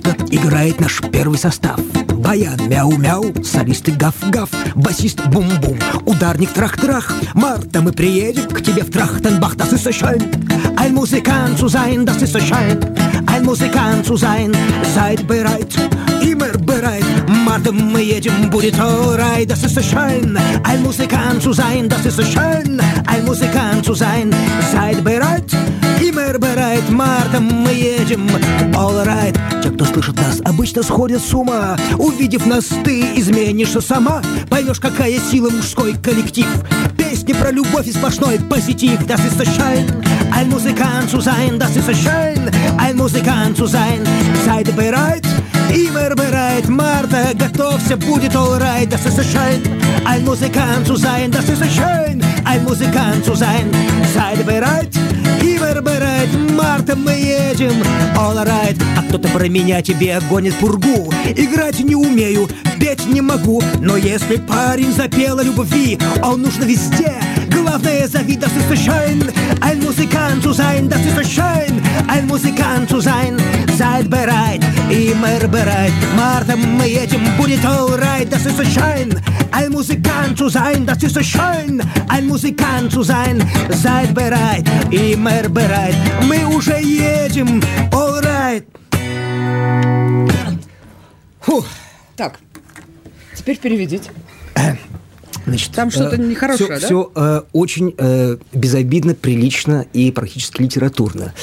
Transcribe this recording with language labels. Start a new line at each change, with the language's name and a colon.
Russian: Играет наш первый состав. Баян мяу-мяу, солисты гав-гав, басист бум-бум, ударник трах-трах. Марта, мы приедем к тебе в Трахтенбах,
German: das ist schön. Ein Musikant zu sein, das ist schön. Ein Musikant zu sein, seid bereit. immer bereit. Martin, wir jedem
Russian: будет орай.
German: Das ist so schön, ein Musikant zu sein. Das ist so schön, ein Musikant zu sein. Seid bereit, immer bereit. Martin, wir jedem
English: all right.
Russian: Те, кто слышит нас, обычно сходят с ума. Увидев нас, ты изменишься сама. Поймешь, какая сила мужской коллектив. Песни про любовь и сплошной позитив.
German: Das ist so schön, ein Musikant zu sein. Das ist so schön, ein Musikant zu sein. Seid bereit, immer bereit. Marta,
Russian: готовься, будет
English: all right.
German: Das ist so schön, ein Musikant zu sein. Das ist so schön, ein Musikant zu sein. Seid bereit, immer bereit. Marta,
Russian: мы едем
English: all right.
Russian: А кто-то про меня тебе гонит пургу. Играть не умею, петь не могу. Но если парень запел о любви, он нужен везде. Главное зови.
German: Das ist so schön, ein Musikant zu sein. Das ist so schön, ein Musikant zu sein. Seid bereit, immer bereit.
Russian: Martin, мы едем, будет
English: all right.
German: Das ist so schön, ein Musikant zu sein. Das ist so schön, ein Musikant zu sein. Seid bereit, immer bereit.
Russian: Мы уже едем,
English: all right.
Russian: Фух. Так, теперь переведите. Значит, там что-то нехорошее, все, да? Все очень безобидно, прилично и практически литературно.